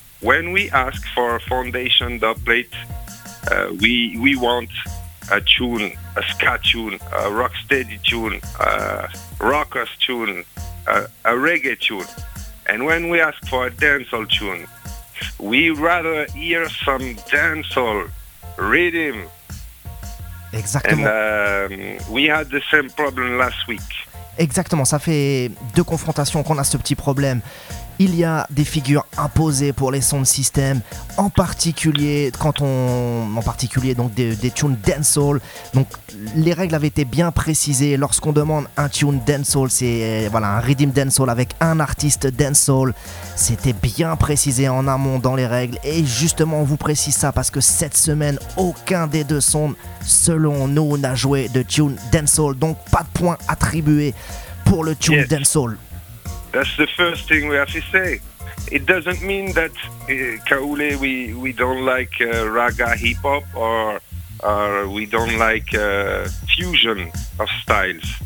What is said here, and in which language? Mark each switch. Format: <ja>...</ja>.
<en>When we ask for a foundation duplate, we want a tune, a ska tune, a rocksteady tune, a rockers tune, a reggae tune. And when we ask for a dancehall tune, we rather hear some dancehall rhythm.</en> <fr>Exactement.</fr> <en>And we had the same problem last week.</en> <fr>Exactement, ça fait deux confrontations qu'on a ce petit problème. Il y a des figures imposées pour les sons de système, en particulier donc des tunes dancehall. Donc les règles avaient été bien précisées. Lorsqu'on demande un tune dancehall, c'est voilà un rhythm dancehall avec un artiste dancehall. C'était bien précisé en amont dans les règles. Et justement, on vous précise ça parce que cette semaine, aucun des deux sons, selon nous, n'a joué de tune dancehall. Donc pas de points attribués pour le tune dancehall.</fr> <en>That's the first thing we have to say. It doesn't mean that Kaolé we don't like raga hip hop or we don't like fusion of styles.</en>